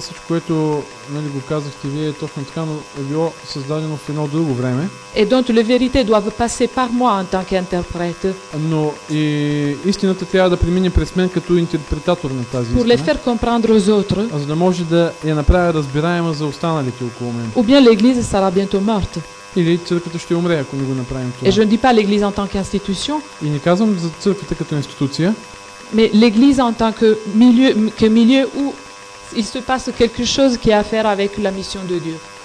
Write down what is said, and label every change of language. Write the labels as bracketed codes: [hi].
[bg] всичко, което нали, го казахте вие, е точно така, но е било създадено в едно друго време. [fr] Et donc, la vérité doit passer par moi en tant qu'interprète. [bg] Но и истината трябва да премине през мен като интерпретатор на тази истина. [fr] Pour les faire comprendre aux autres. [bg] За да може да я направя разбираема за останалите около мен. [fr] Ou bien l'église sera bientôt morte. [bg] Или църквата ще умре, ако не го направим това. [fr] Et je ne dis pas l'église en tant qu'institution. [bg] И не казвам за църквата като институция. [fr] Mais l'église en tant que milieu où il se passe quelque chose qui a à faire avec la mission de Dieu.